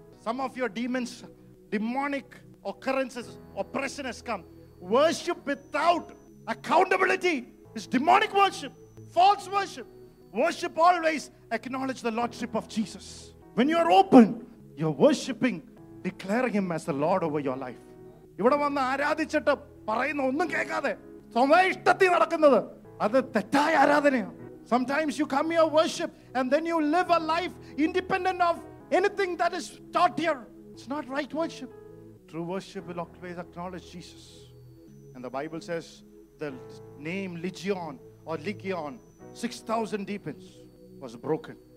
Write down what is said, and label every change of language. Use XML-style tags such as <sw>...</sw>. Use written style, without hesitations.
<en>Some of your demons, demonic occurrences, oppression has come. Worship without accountability is demonic worship, false worship. Worship always acknowledge the Lordship of Jesus. When you are open, you are worshipping, declaring Him as the Lord over your life.</en> <ml>ഇവിടെ വന്ന് ആരാധിച്ചിട്ട് പറയുന്ന ഒന്നും കേൾക്കാതെ സ്വന്തം ഇഷ്ടത്തിൽ നടക്കുന്നത് അത് തെറ്റായ ആരാധനയാണ്.</ml> <en>Sometimes you come here worship and then you live a life independent of anything that is taught here. It's not right worship. True worship will always acknowledge Jesus. And the Bible says the name Legion or Legion, 6,000 demons was broken.</en>